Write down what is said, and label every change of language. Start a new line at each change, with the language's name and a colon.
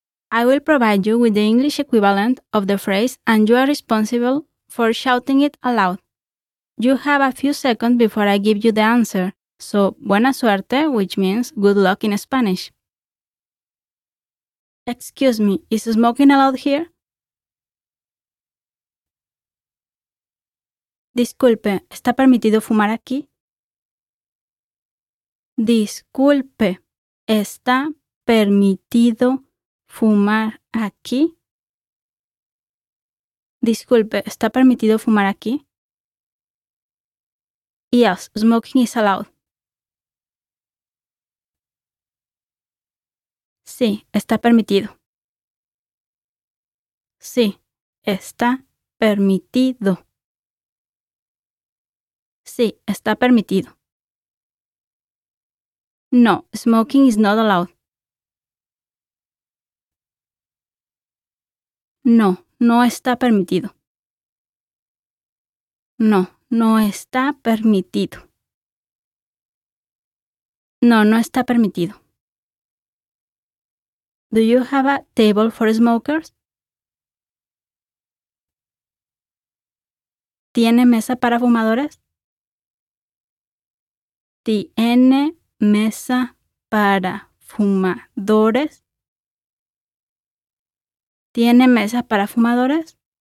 English: I will provide you with the English equivalent of the phrase and you are responsible for shouting it aloud. You have a few seconds before I give you the answer, so
Spanish: buena suerte,
English: which means good luck in Spanish. Excuse me, is smoking allowed here?
Spanish: Disculpe, ¿está permitido fumar aquí? Disculpe, ¿está permitido fumar aquí? Disculpe, ¿está permitido fumar aquí?
English: Yes, smoking is allowed.
Spanish: Sí, está permitido. Sí, está permitido. Sí, está permitido.
English: No, smoking is not allowed.
Spanish: No, no está permitido. No, no está permitido. No, no está permitido.
English: Do you have a table for smokers?
Spanish: ¿Tiene mesa para fumadores? ¿Tiene mesa para fumadores? ¿Tiene mesa para fumadores?